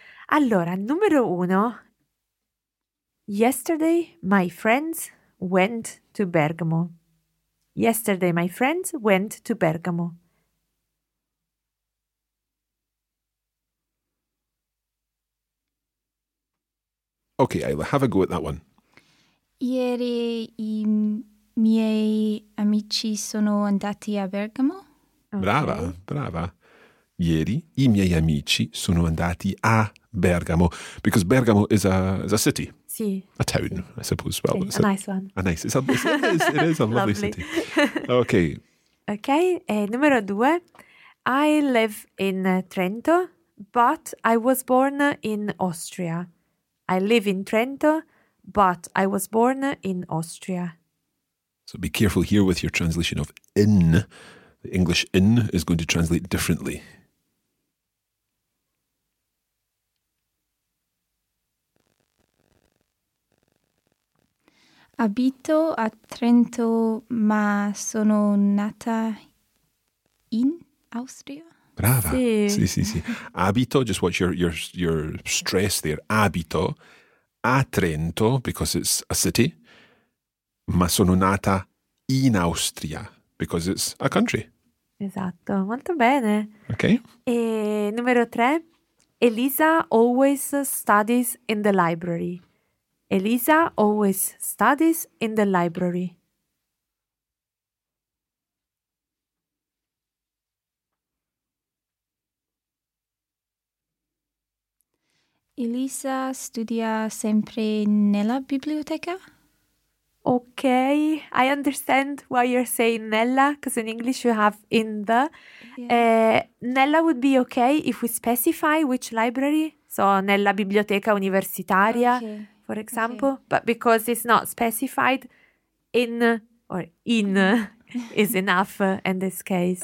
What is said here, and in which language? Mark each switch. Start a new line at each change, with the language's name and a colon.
Italian: Allora, numero uno.
English: Yesterday, my friends went to Bergamo. Yesterday, my friends went to Bergamo. Okay, Ayla, have a go at that one.
Italian: Ieri i miei amici sono andati a Bergamo. Brava, brava. Ieri i miei amici sono andati a Bergamo,
English: because Bergamo is a city.
Italian: Sì.
English: A town, I suppose. Well,
Italian: sì,
English: it's a nice one. It is a lovely city. Okay.
Italian: Okay. Numero due.
English: I live in Trento, but I was born in Austria. I live in Trento, but I was born in Austria. So be careful here with your translation of in. The English in is going to translate differently.
Italian: Abito a Trento, ma sono nata in Austria. Brava. Sì.
English: Abito, just watch your stress there.
Italian: Abito a Trento,
English: because it's a city,
Italian: ma sono nata in Austria,
English: because it's a country.
Italian: Esatto, molto bene.
English: Okay.
Italian: E numero tre.
English: Elisa always studies in the library. Elisa always studies in the library.
Italian: Elisa studia sempre nella biblioteca?
English: Okay, I understand why you're saying nella, because in English you have in the. Yeah. Nella would be okay if we specify which library. So
Italian: nella biblioteca universitaria,
English: okay, for example. Okay. But because it's not specified, in or in is enough in this case.